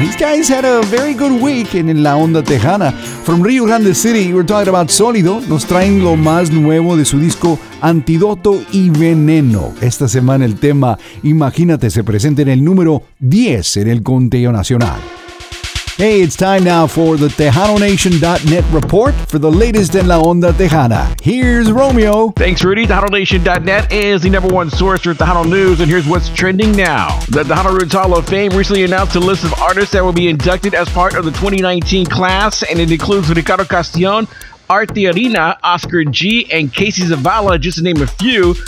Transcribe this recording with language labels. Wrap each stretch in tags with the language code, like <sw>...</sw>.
<en>These guys had a very good week in La Onda Tejana. From Rio Grande City, we're talking about Sólido.</en> <es>Nos traen lo más nuevo de su disco Antídoto y Veneno. Esta semana el tema Imagínate se presenta en el número 10 en el conteo nacional.</es> <en>Hey, it's time now for the TejanoNation.net report for the latest in La Onda Tejana. Here's Romeo. Thanks, Rudy. TejanoNation.net is the number one source for Tejano news, and here's what's trending now. The Tejano Roots Hall of Fame recently announced a list of artists that will be inducted as part of the 2019 class, and it includes Ricardo Castellón, Art The Arena, Oscar G, and Casey Zavala, just to name a few.</en>